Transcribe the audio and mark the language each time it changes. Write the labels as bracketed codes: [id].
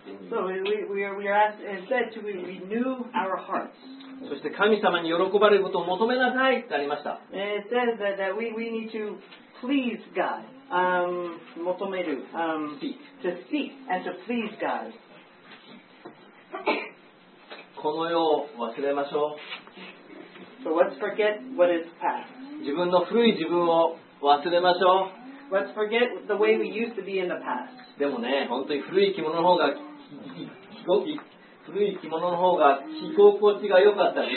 [en] So we are asked instead to renew our hearts. [ja] そして神様に喜ばれることを求めなさいってありました。 [en] It says that we need to please God. 求める。To seek and to please God. [ja] この世を忘れましょう。 [en] So let's forget what is past. [ja] 自分の古い自分を忘れましょう。 [en] Let's forget the way we used to be in the past. [ja] でもね、本当に古い着物の方が着心地古い着物の方が着心地が良かったり。